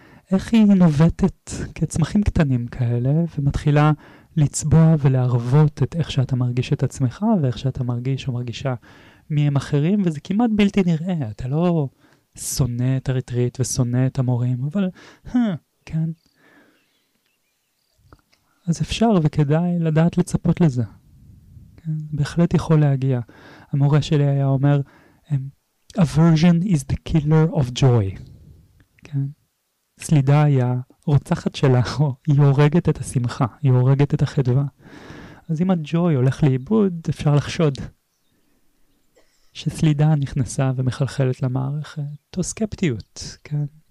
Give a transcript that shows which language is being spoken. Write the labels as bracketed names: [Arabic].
[Hebrew] איך היא נובטת כצמחים קטנים כאלה, ומתחילה לצבוע ולערבות את איך שאתה מרגיש את עצמך, ואיך שאתה מרגיש או מרגישה מהם אחרים, וזה כמעט בלתי נראה. אתה לא שונא את הריטריט ושונא את המורים, אבל, כן. אז אפשר וכדאי לדעת לצפות לזה. כן? בהחלט יכול להגיע. המורה שלי היה אומר, [English] "Aversion is the killer of joy." [Hebrew] כן? סלידה היא הרוצחת שלך, היא הורגת את השמחה, היא הורגת את החדווה. אז אם הג'וי הולך לאיבוד, אפשר לחשוד. שסלידה נכנסה ומחלחלת למערכת, או סקפטיות, כן?